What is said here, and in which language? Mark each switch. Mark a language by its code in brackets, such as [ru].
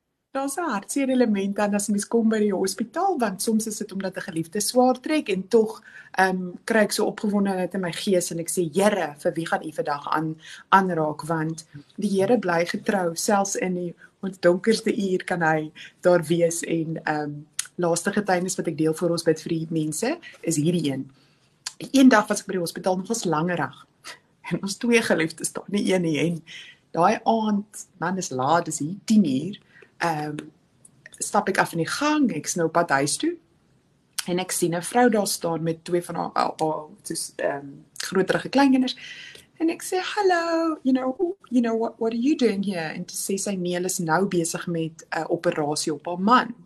[af] Daar's 'n hartseer element dan as mens kom by die hospitaal want soms is dit omdat 'n geliefde swaar trek en tog kry ek so opgewondenheid in my gees en ek sê Here, vir wie gaan U vandag aanraak want die Here bly getrou selfs in die ons donkerste uur kan hy daar wees en laaste getuienis wat ek deel vir ons bid vir die mense is hierdie een. Eendag was ek by die hospitaal nog was langerig. En ons twee geliefdes staan nie een nie en daai aand, man is laat, dis 10:00. Stap ek af in die gang, ek is nou op pad huis toe. En ek sien 'n vrou daar staan met twee van haar soos groterige kleinkinders. En ek sê hallo, [en] you know what are you doing here? [af] En to say sy nee, is nou besig met 'n operasie op haar man.